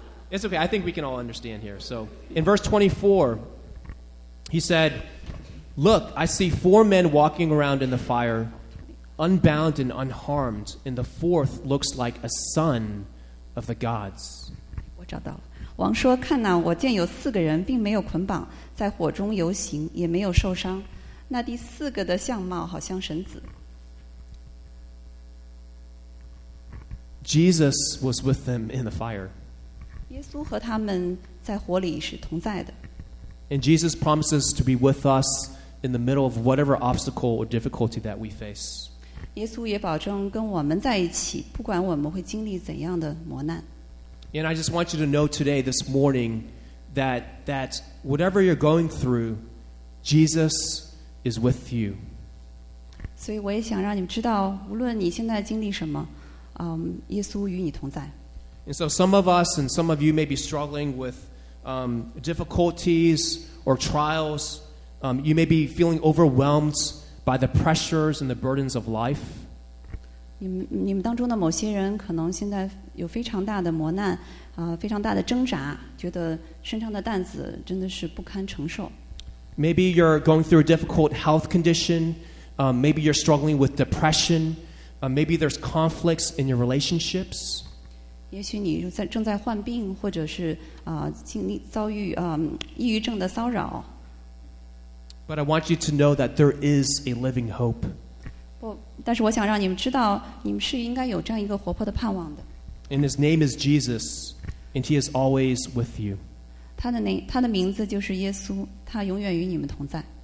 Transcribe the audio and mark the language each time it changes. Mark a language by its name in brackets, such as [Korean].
[English] It's okay, I think we can all understand here. So in verse 24, he said, Look, I see 4 men walking around in the fire, unbound and unharmed, and the fourth looks like a son of the gods. [Chinese] 我找到了。王说，看哪，我见有4个人并没有捆绑，在火中游行，也没有受伤。那第四个的相貌好像神子。 [English] Jesus was with them in the fire. [Chinese] 耶稣和他们在火里是同在的。 [English] And Jesus promises to be with us in the middle of whatever obstacle or difficulty that we face. [Chinese] 耶稣也保证跟我们在一起，不管我们会经历怎样的磨难。 [English] And I just want you to know today, this morning, that whatever you're going through, Jesus is with you. [Chinese] 所以我也想让你们知道，无论你现在经历什么，耶稣与你同在。 [English] And so some of us and some of you may be struggling with difficulties or trials. You may be feeling overwhelmed by the pressures and the burdens of life. [Chinese] 你们当中的某些人可能现在有非常大的磨难，非常大的挣扎，觉得身上的担子真的是不堪承受。 [English] Maybe you're going through a difficult health condition. Maybe you're struggling with depression. Maybe there's conflicts in your relationships. [Chinese] 也许你正在患病，或者是经历遭遇抑郁症的骚扰。 [English] But I want you to know that there is a living hope. [Chinese] 不，但是我想让你们知道，你们是应该有这样一个活泼的盼望的。 [English] And his name is Jesus, and he is always with you. [Chinese] 他的名字就是耶稣，他永远与你们同在。